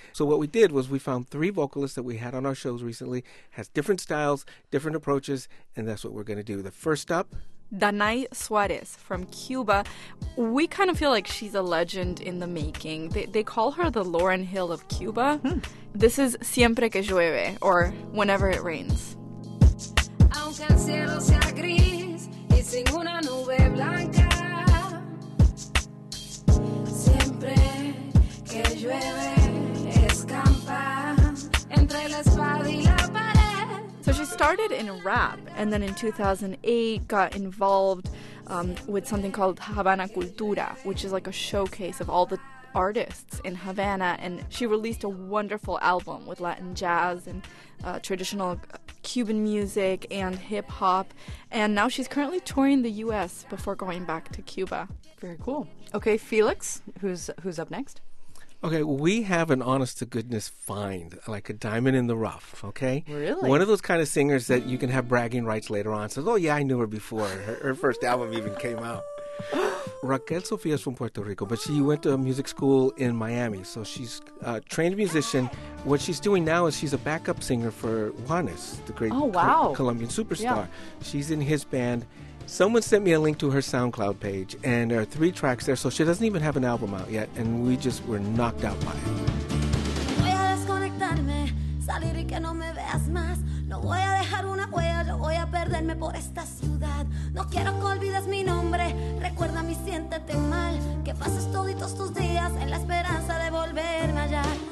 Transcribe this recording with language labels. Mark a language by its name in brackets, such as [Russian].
[English] So what we did was we found three vocalists that we had on our shows recently, has different styles, different approaches, and that's what we're going to do. The first up, Danai Suarez from Cuba. We kind of feel like she's a legend in the making. They call her the Lauryn Hill of Cuba. Hmm. This is Siempre Que Llueve, or Whenever It Rains. [Spanish] Aunque el cielo sea gris y sin una nube blanca, siempre que llueve, escampa entre la espada y la pared. [English] So she started in rap and then in 2008 got involved with something called Havana Cultura, which is like a showcase of all the artists in Havana, and she released a wonderful album with Latin jazz and traditional Cuban music and hip-hop, and now she's currently touring the U.S. before going back to Cuba. Very cool. Okay, Felix, who's up next? Okay, we have an honest-to-goodness find, like a diamond in the rough, okay? Really? One of those kind of singers that you can have bragging rights later on. Says, oh, yeah, I knew her before. Her first album even came out. Raquel Sofia is from Puerto Rico, but she went to a music school in Miami. So she's a trained musician. What she's doing now is she's a backup singer for Juanes, the great Colombian superstar. Yeah. She's in his band. Someone sent me a link to her SoundCloud page, and there are three tracks there. So she doesn't even have an album out yet, and we just were knocked out by it. [Spanish] Voy a desconectarme, salir y que no me veas más. No voy a dejar una huella, yo voy a perderme por esta ciudad. No quiero que olvides mi nombre, recuérdame y siéntete mal. Que pases toditos tus días en la esperanza de volverme allá.